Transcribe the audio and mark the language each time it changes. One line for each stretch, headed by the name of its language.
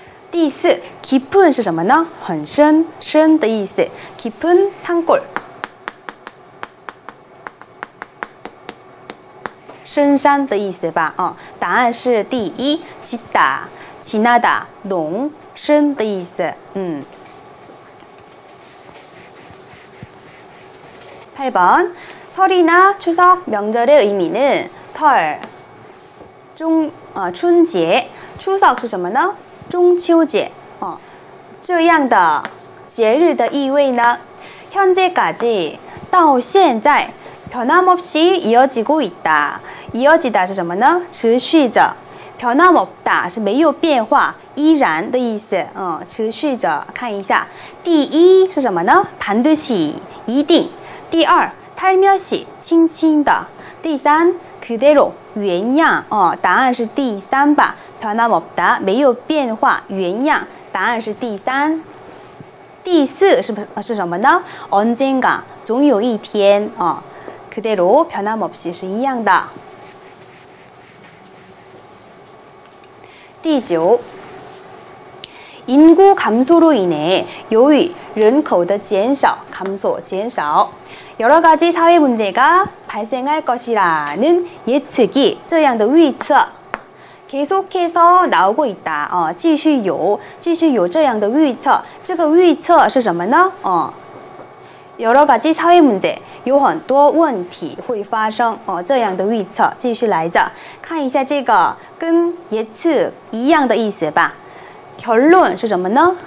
Chinese: 第四, 깊은是什么呢? 很深, 深的意思,
Korean: 깊은 산골,
Chinese: 深山的意思吧, 答案是第一,
Korean: 짙다, 진하다,
Chinese: 浓, 深的意思,
Korean: 8번 설이나 추석 명절의 의미는 설,
Chinese: 춘节, 추석是什么呢? 중秋节, 这样的节日的意味呢?
Korean: 현재까지,
Chinese: 到现在,
Korean: 변함없이 이어지고 있다.
Chinese: 이어지다是什么呢? 持续着, 변함없다是没有变化, 依然的意思, 持续着, 看一下, 第一是什么呢? 반드시, 一定, 第二, 살며시, 轻轻的. 第三, 그대로, 原样. 答案是第三吧. 변함없다, 没有变化, 原样. 答案是第三.第四是什么呢? 언젠가, 总有一天.
Korean: 그대로, 변함없이是一样的. 第九, 인구 감소로 인해, 요위,
Chinese: 人口的减少,
Korean: 감소, 减少. 여러 가지 사회 문제가 발생할 것이라는 예측이
Chinese: 这样的预测
Korean: 계속해서 나오고 있다.
Chinese: 继续有这样的预测这个预测是什么呢?
Korean: 여러 가지 사회 문제
Chinese: 有很多问题会发生这样的预测继续来着看一下这个跟예측一样的意思吧 결론是什么呢?